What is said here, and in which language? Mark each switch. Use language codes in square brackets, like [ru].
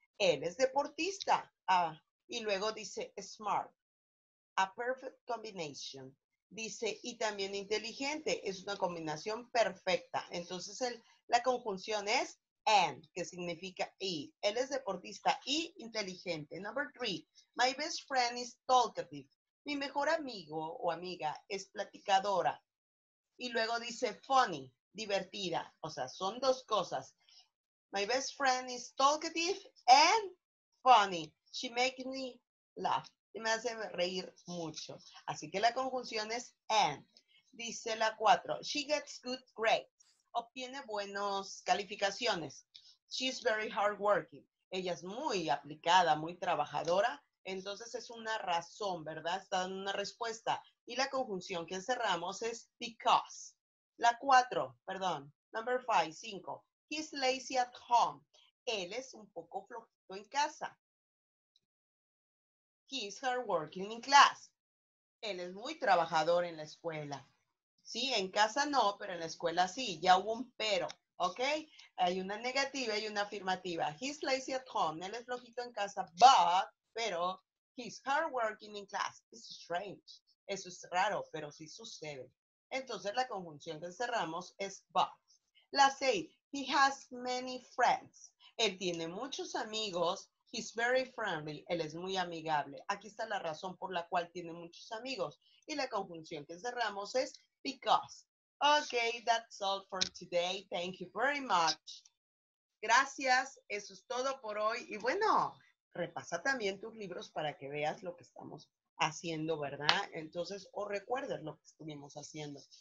[es] Él es deportista. Y luego dice smart. [en] A perfect combination. [es] Dice, y también inteligente, es una combinación perfecta. Entonces, la conjunción es and, que significa y. Él es deportista y inteligente. [en] Number 3, my best friend is talkative. [es] Mi mejor amigo o amiga es platicadora. Y luego dice funny, divertida. O sea, son dos cosas. [en] My best friend is talkative and funny. She makes me laugh. [es] Y me hace reír mucho. Así que la conjunción es and. Dice la 4. [en] She gets good grades. [es] Obtiene buenas calificaciones. [en] She's very hardworking. [es] Ella es muy aplicada, muy trabajadora. Entonces es una razón, ¿verdad? Está dando una respuesta. Y la conjunción que cerramos es because. La 4, perdón. [en] Number 5. He's lazy at home. [es] Él es un poco flojito en casa. [en] He is hardworking in class. [es] Él es muy trabajador en la escuela. Sí, en casa no, pero en la escuela sí. Ya hubo un pero, ¿ok? Hay una negativa y una afirmativa. [en] He's lazy at home. [es] Él es flojito en casa, [en] but, pero, he's hardworking in class. It's strange. [es] Eso es raro, pero sí sucede. Entonces, la conjunción que cerramos es but. La 6. [en] He has many friends. [es] Él tiene muchos amigos. [en] He's very friendly. [es] Él es muy amigable. Aquí está la razón por la cual tiene muchos amigos. Y la conjunción que cerramos es because. [en] Okay, that's all for today. Thank you very much. [es] Gracias. Eso es todo por hoy. Y bueno, repasa también tus libros para que veas lo que estamos haciendo, ¿verdad? Entonces, o recuerdes lo que estuvimos haciendo.